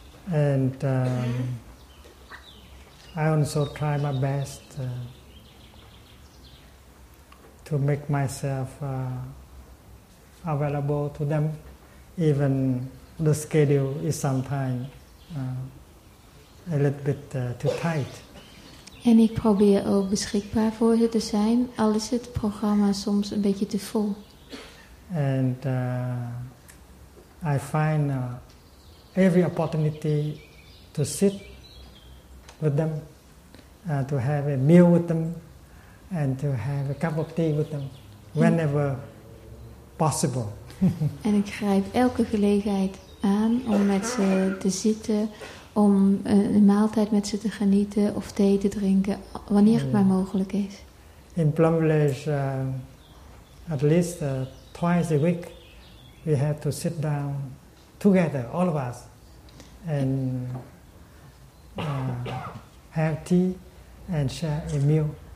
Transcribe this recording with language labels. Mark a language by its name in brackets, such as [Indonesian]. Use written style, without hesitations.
[English] En I also try my best to make myself available to them, even the schedule is sometimes a little bit too tight. [Dutch] En ik probeer ook beschikbaar voor ze te zijn, al is het programma soms een beetje te vol. [English] And I find every opportunity to sit with them, to have a meal with them, and to have a cup of tea with them, whenever possible. [Dutch] En ik grijp elke gelegenheid aan om met ze te zitten, om een maaltijd met ze te genieten of thee te drinken, wanneer het maar mogelijk is. [English] In Plum Village, at least twice a week, we have to sit down together, all of us, and have tea and share a meal.